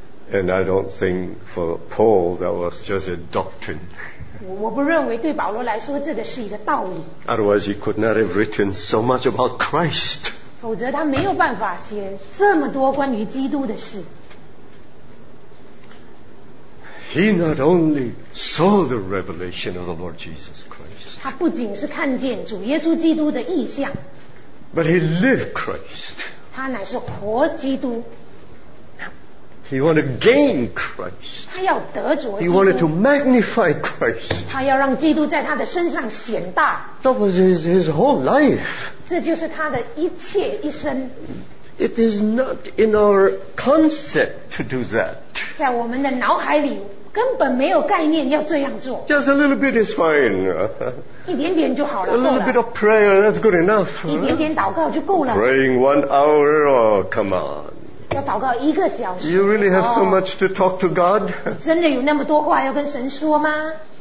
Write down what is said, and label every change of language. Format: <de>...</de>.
<en>And I don't think for Paul that was just a doctrine.</en> <zh>我不认为对保罗来说这个是一个道理。</zh> <en>Otherwise he could not have written so much about Christ.</en> <zh>否则他没有办法写这么多关于基督的事。</zh> <en>He not only saw the revelation of the Lord Jesus Christ.</en> <zh>他不仅是看见主耶稣基督的异象。</zh> <en>But he lived Christ.</en> <zh>他乃是活基督。</zh> <en>He wanted to gain Christ.</en> <zh>他要得着基督。</zh> <en>He wanted to magnify Christ.</en> <zh>他要让基督在他的身上显大。</zh> <en>That was his whole life.</en> <zh>这就是他的一切一生。</zh> <en>It is not in our concept to do that.</en> <zh>在我们的脑海里根本没有概念要这样做。</zh> <en>Just a little bit is fine.</en> <zh>一点点就好了。</zh> <en>A little bit of prayer, that's good enough.</en> <zh>一点点祷告就够了。</zh> <en>Praying 1 hour, oh, come on.</en> <zh>要祷告一个小时。</zh> <en>You really have so much to talk to God?</en> <zh>真的有那么多话要跟神说吗？</zh>